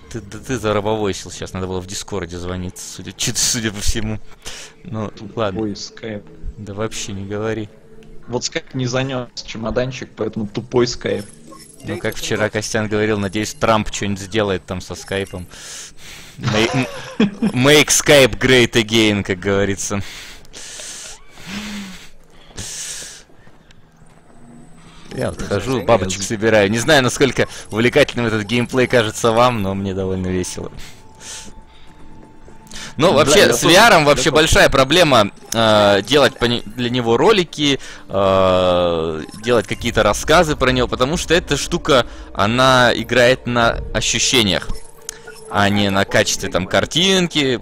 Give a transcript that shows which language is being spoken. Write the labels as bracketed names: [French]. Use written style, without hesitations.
[Russian] Ты зарабовысил сейчас, надо было в Дискорде звонить, судя по всему. Ну, тупой ладно. Скайп. Да вообще не говори. Вот скайп не занес чемоданчик, поэтому тупой скайп. Ну, как вчера Костян говорил, надеюсь, Трамп что-нибудь сделает там со скайпом. [English] Make Skype great again, [Russian] как говорится. Я вот хожу, бабочек собираю. Не знаю, насколько увлекательным этот геймплей кажется вам, но мне довольно весело. Ну, вообще, с VR вообще большая проблема делать для него ролики, делать какие-то рассказы про него, потому что эта штука, она играет на ощущениях, а не на качестве там картинки.